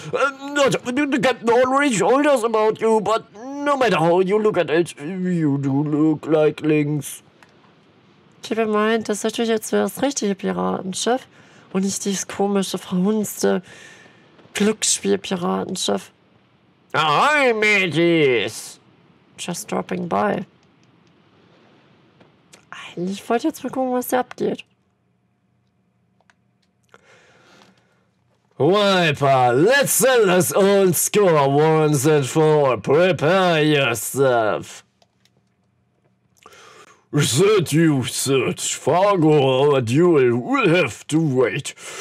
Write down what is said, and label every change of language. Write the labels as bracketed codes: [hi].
[en] The captain already told us about you, but no matter how you look at it, you do look like Links. Keep in mind, [de] das ist natürlich jetzt das richtige Piratenschiff und nicht dieses komische, verhunzte Glücksspiel-Piratenschiff. Ahoi, Mädels! [en] Just dropping by. [de] Ich wollte jetzt mal gucken, was da abgeht. [en] Wiper, let's sell this old score once and for all. Prepare yourself. Said you, Serge. Fargo, our duel will have to wait.